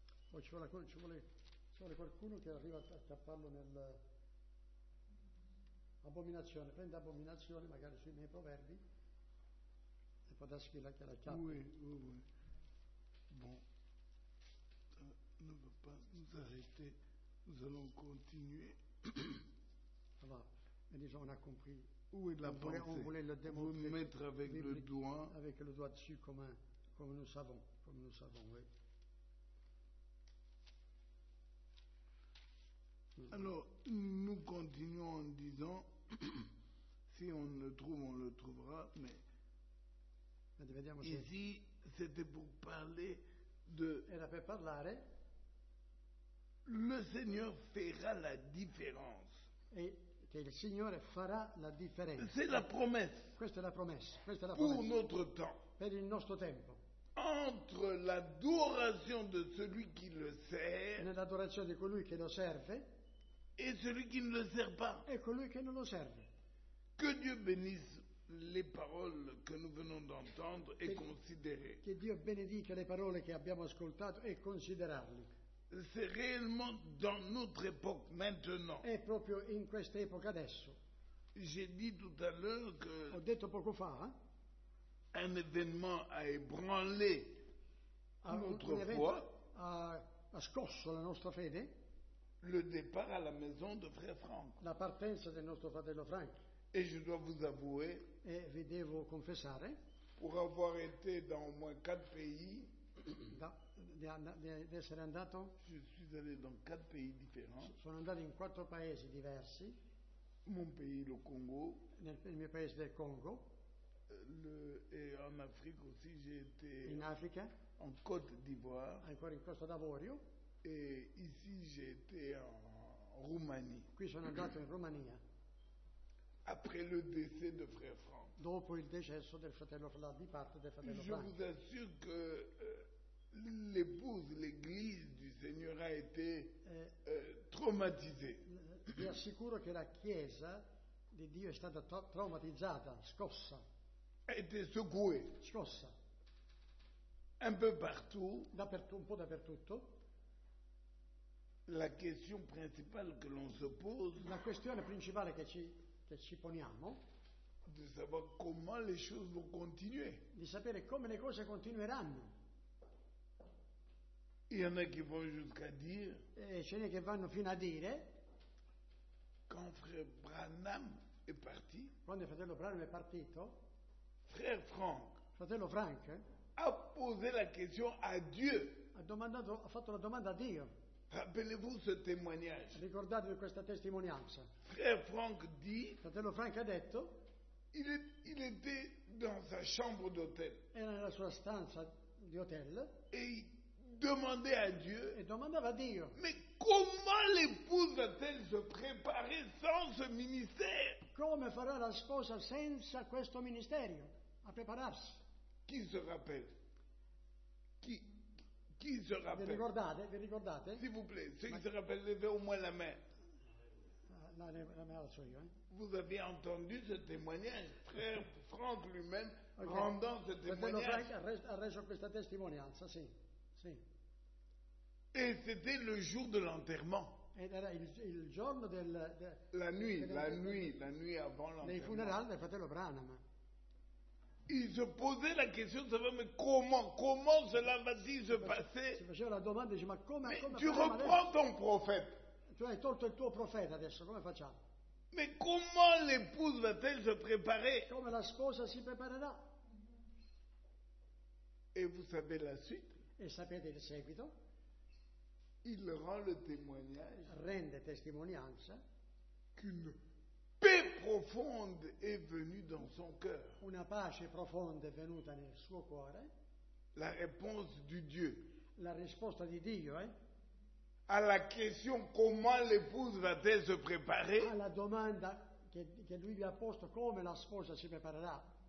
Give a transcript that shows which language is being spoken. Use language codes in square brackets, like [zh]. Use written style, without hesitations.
[it] Poi ci vuole qualcuno che arriva a tapparlo nel abominazione, prende abominazione magari sui miei proverbi e può darsi che la chiappa. [fr] Oui. Bon, ne va pas nous arrêter, nous allons continuer. [it] Allora, [fr] mais déjà on a compris. Où est la pensée? On voulait le démontrer. Vous mettre avec le doigt. Avec le doigt dessus, comme nous savons, oui. Alors, nous continuons en disant, si on le trouve, on le trouvera, mais ici, c'était pour parler de... [it] Era per parlare. [fr] Le Seigneur fera la différence. Et que le Seigneur fera la différence. C'est la promesse. [it] Questa è la promessa. Questa è la [fr] pour promesse. Notre temps. [it] Per il nostro tempo. [fr] Entre l'adoration de celui qui le sert... [it] Nell'adorazione di colui che lo serve... [fr] Et celui qui ne le sert pas. Et celui qui ne le serve. Que Dieu bénisse les paroles que nous venons d'entendre et considérer. Que Dieu bénédique les paroles que [it] abbiamo ascoltato e considerarli. [fr] C'est réellement dans notre époque maintenant. [it] È proprio in questa epoca adesso. [fr] J'ai dit tout à l'heure que. [it] Ho detto poco fa. [fr] Un événement a ébranlé notre foi. [it] Ha scosso la nostra fede. [fr] Le départ à la maison de frère Franck. [it] La partenza del nostro fratello Frank. [fr] Et je dois vous avouer. [it] E vi devo confessare. [fr] Pour avoir été dans au moins 4 pays. [it] D'essere andato. [fr] Je suis allé dans 4 pays différents. [it] Sono andato in 4 paesi diversi. [fr] Mon pays, le Congo. [it] Nel mio paese del Congo. [fr] Et en Afrique aussi, j'ai été. [it] In Africa. [fr] En Côte d'Ivoire. [it] Ancora in Costa d'Avorio. [fr] Et ici j'ai été en Roumanie. [it] Qui sono andato in Romania. [fr] Après le décès de frère Franck. [it] Dopo il decesso del fratello Franck, di parte del fratello Franck. [fr] Je vous assure que l'épouse, l'Église du Seigneur a été traumatisée. [it] Vi assicuro che la Chiesa di Dio è stata traumatizzata, scossa. [fr] A été secouée. [it] Scossa. [fr] Un peu partout. [it] Un po' dappertutto. [fr] La question principale que l'on se pose. [it] La questione principale che ci poniamo. [fr] De savoir comment les choses vont continuer. [it] Di sapere come le cose continueranno. [fr] Il y en a qui vont jusqu'à dire. [it] E ce n'è che vanno fino a dire. [fr] Quand frère Branham est parti. [it] Quando il fratello Branham è partito. [fr] Frère Franck. [it] Fratello Frank. [fr] A posé la question à Dieu. [it] Ha fatto la domanda a Dio. [fr] Rappelez-vous ce témoignage. [it] Ricordatevi questa testimonianza. [fr] Frère Franck dit. [it] Fratello Frank ha detto. [fr] Il était dans sa chambre d'hôtel. [it] Era nella sua stanza di hôtel. [fr] Et il demandait à Dieu. [it] E domandava a Dio. [fr] Mais comment l'épouse va-t-elle se préparer sans ce ministère? [it] Come farà la sposa senza questo ministerio a prepararsi? Chi [fr] se rappelle? Chi? Qui se rappelle? [it] Vi ricordate? [fr] S'il vous plaît, ceux qui se rappellent, levez au moins la main. La main la suis, hein? Vous avez entendu ce témoignage, frère Franck lui-même, okay. Rendant ce témoignage. Frère Franck a reçu cette [it] testimonianza, si. Si. [fr] Et c'était le jour de l'enterrement. [it] Ed era il giorno del. [fr] La nuit avant l'enterrement. [it] Nei funerali del fratello Branham. [fr] Il se posait la question de savoir, mais comment cela va-t-il se passer? [it] Si faceva la domanda, dice, ma come, [fr] mais [it] come [fr] tu reprends ton prophète. [it] Tu hai tolto il tuo profeta adesso, come facciamo? [fr] Mais comment l'épouse va-t-elle se préparer? [it] Come la sposa si preparerà? [fr] Et vous savez la suite? [it] E sapete il seguito? [fr] Il rend le témoignage. [it] Rende testimonianza. [fr] Qu'une paix profonde est venue dans son cœur. [it] Una pace profonda è venuta nel suo cuore. [fr] La réponse du Dieu. [it] La risposta di Dio, [fr] À la question comment l'épouse va-t-elle se préparer? [it] Alla domanda che lui gli ha posto come la sposa si preparerà.